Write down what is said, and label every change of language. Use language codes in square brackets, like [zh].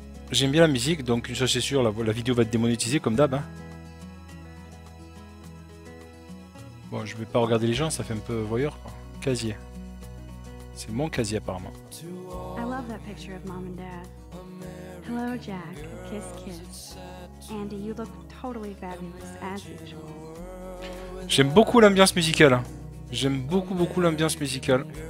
[fr] J'aime bien la musique, donc une chose c'est sûr, la vidéo va être démonétisée comme d'hab. Hein. Bon, je vais pas regarder les gens, ça fait un peu voyeur. Quoi. Casier. C'est mon casier apparemment. [en] I love that picture of mom and dad. Hello Jack, kiss kiss. Andy, you look totally fabulous as usual. [fr] J'aime beaucoup l'ambiance musicale. Hein. J'aime beaucoup beaucoup l'ambiance musicale.